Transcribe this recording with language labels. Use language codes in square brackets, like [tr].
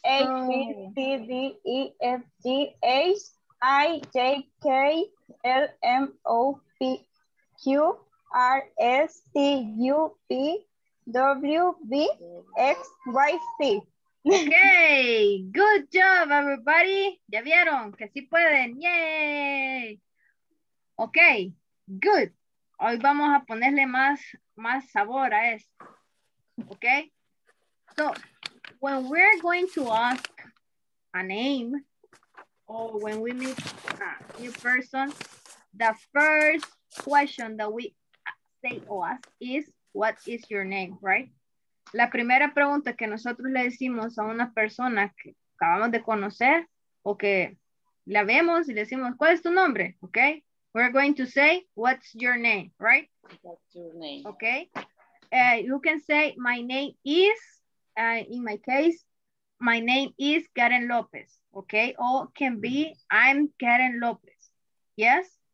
[en] A, B, C, D, E, F, G, H, I, J, K, L, M, O, P, Q, R, S, T, U, B, W, B, X, Y, Z. Ok, good job, everybody. [es] Ya vieron que sí pueden. [en] Yay. Ok, good. [es] Hoy vamos a ponerle más sabor a esto. [en] Ok. So, when we're going to ask a name, or when we meet a new person, the first question that we say or ask is, what is your name, right? [es] La primera pregunta que nosotros le decimos a una persona que acabamos de conocer o que la vemos y le decimos, ¿cuál es tu nombre? [en] Ok. We're going to say, what's your name, right? What's your name? Ok. You can say, my name is, in my case, my name is Karen López. Ok. O can be, I'm Karen López. Yes.